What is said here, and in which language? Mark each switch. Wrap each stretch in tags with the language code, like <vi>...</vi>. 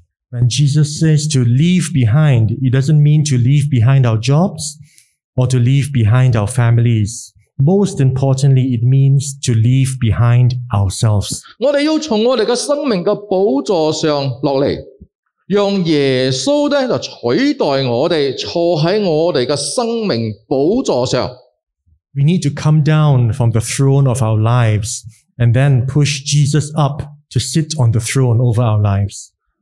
<en>When Jesus says to leave behind, it doesn't mean to leave behind our jobs or to leave behind our families. Most importantly, it means to leave behind ourselves.</en> <zh>我们要从我们的生命的宝座上下来，让耶稣取代我们，坐在我们的生命宝座上。</zh> <en>We need to come down from the throne of our lives and then push Jesus up to sit on the throne over our lives.</en>